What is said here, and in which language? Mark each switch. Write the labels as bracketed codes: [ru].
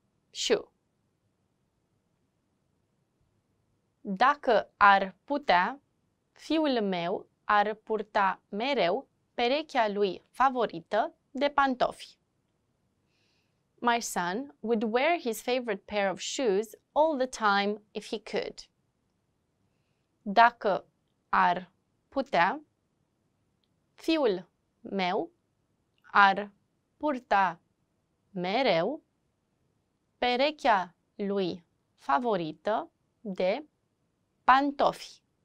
[en] Shoe. [ro] Dacă ar putea, fiul meu ar purta mereu perechea lui favorită de pantofi. [en] My son would wear his favorite pair of shoes all the time if he could. [ro] Dacă ar putea, Fiul meu ar purta mereu perechea lui favorită de pantofi.